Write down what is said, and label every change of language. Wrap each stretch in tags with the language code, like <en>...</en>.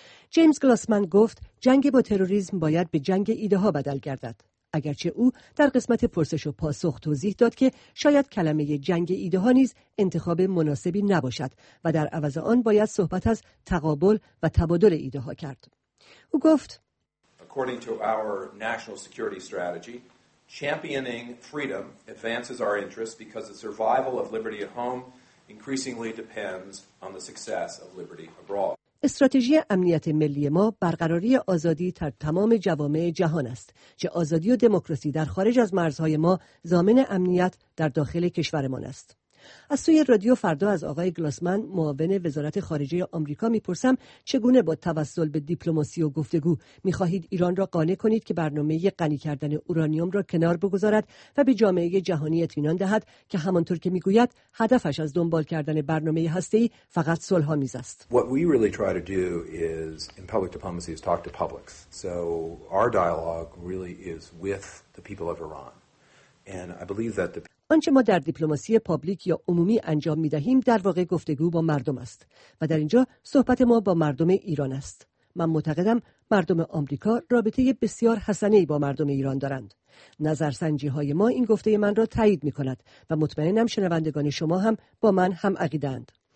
<fa>جیمز گلاسمن گفت جنگ با تروریسم باید به جنگ ایده ها بدل گردد. اگرچه او در قسمت پرسش و پاسخ توضیح داد که شاید کلمه جنگ ایده ها نیز انتخاب مناسبی نباشد و در عوض آن باید صحبت از تقابل و تبادل ایده ها کرد. او گفت</fa> <en>According to our national security strategy, championing freedom advances our interests because the survival of liberty at home increasingly depends on the success of liberty abroad.</en> <fa>استراتژی امنیت ملی ما برقراری آزادی در تمام جوامع جهان است که آزادی و دموکراسی در خارج از مرزهای ما ضامن امنیت در داخل کشورمان است. از سوی رادیو فردا از آقای گلاسمن معاون وزارت خارجه آمریکا میپرسم چگونه با توسل به دیپلماسی و گفتگو میخواهید ایران را قانع کنید که برنامه غنی کردن اورانیوم را کنار بگذارد و به جامعه جهانی اطمینان دهد که همانطور که میگوید هدفش از دنبال کردن برنامه هسته‌ای فقط صلح آمیز است.</fa> <en>What we really try to do is in public diplomacy is talk to publics. So our dialogue really is with the people of Iran. And I believe that the</en> <fa>آنچه ما در دیپلماسی پابلیک یا عمومی انجام می دهیم در واقع گفتگو با مردم است و در اینجا صحبت ما با مردم ایران است. من معتقدم مردم آمریکا رابطه بسیار حسنه ای با مردم ایران دارند. نظرسنجی های ما این گفته من را تایید می کند و مطمئنم شنوندگان شما هم با من هم عقیده اند.</fa>